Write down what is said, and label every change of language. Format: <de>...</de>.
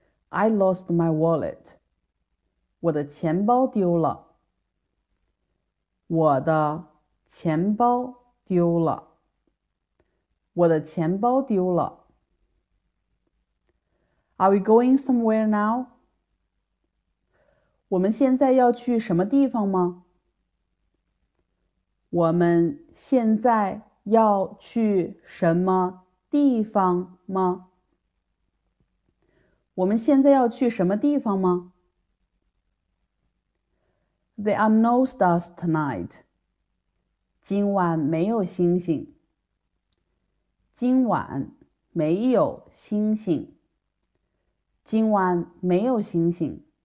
<en>I lost my wallet.</en> <zh>我的钱包丢了。我的钱包丢了。我的钱包丢了。</zh> <en>Are we going somewhere now?</en> <zh>我们现在要去什么地方吗？我们现在要去什么地方吗？我们现在要去什么地方吗？</zh> <en>There are no stars tonight.</en> <zh>今晚没有星星。今晚没有星星。今晚没有星星。</zh>